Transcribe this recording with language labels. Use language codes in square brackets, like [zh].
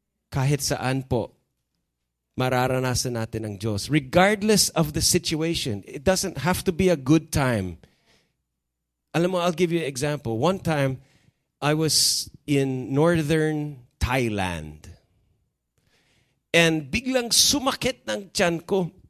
[tl] Kahit saan po, mararanasan natin ang Diyos. [en] Regardless of the situation, it doesn't have to be a good time. [tl] Alam mo, [en] I'll give you an example. One time, I was in northern Thailand. [tl] And biglang sumakit ng tiyan ko.